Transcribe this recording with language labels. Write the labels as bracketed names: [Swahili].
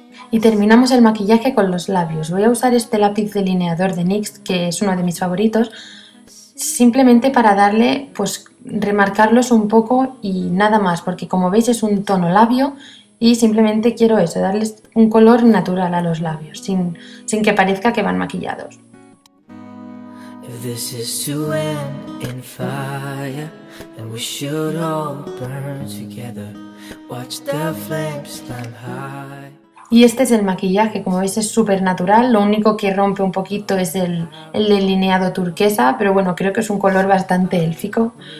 [Spanish] Y terminamos el maquillaje con los labios. Voy a usar este lápiz delineador de NYX, que es uno de mis favoritos, simplemente para darle, pues, remarcarlos un poco y nada más, porque como veis es un tono labio y simplemente quiero eso, darles un color natural a los labios, sin que parezca que van maquillados. [English] If this is to end in fire, then we should all burn together. Watch the flames climb high. [Spanish] Y este es el maquillaje, como veis es súper natural, lo único que rompe un poquito es el delineado turquesa, pero bueno, creo que es un color bastante élfico.